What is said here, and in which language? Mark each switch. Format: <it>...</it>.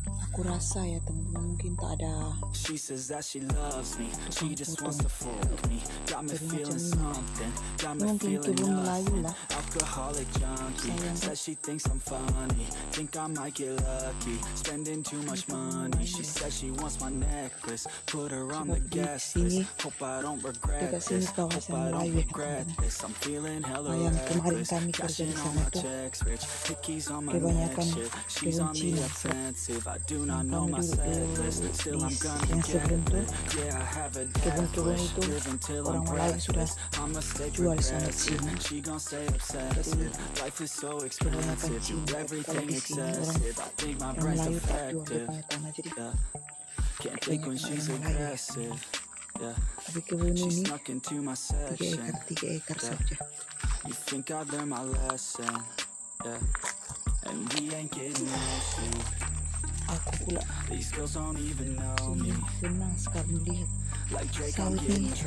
<ms>Aku rasa ya teman-teman mungkin tak ada.</ms> <en>She says that she loves me, she just wants to fuck me, got me feeling something, got me feeling nothing. Alcoholic junkie, says she thinks I'm funny, think I might get lucky, spending too much money. She says she wants my necklace, put her on the guest list. Hope I don't regret this, hope I don't regret this. I'm feeling hella reckless, cashing all my checks rich, pickies on my neck shit. She's on the offensive, I do not know my set list. Still I'm gonna get it, yeah I have a death wish. Live until I'm breathless, I'ma stay progressive. She gon' stay obsessive, life is so expensive. Do everything excessive, I think my brain's defective. Can't think when she's aggressive. She's snuck into my session. You think I learned my lesson, yeah. And we ain't getting messy.</en> <ms>Aku pula senang sekali melihat sawit ini.</ms>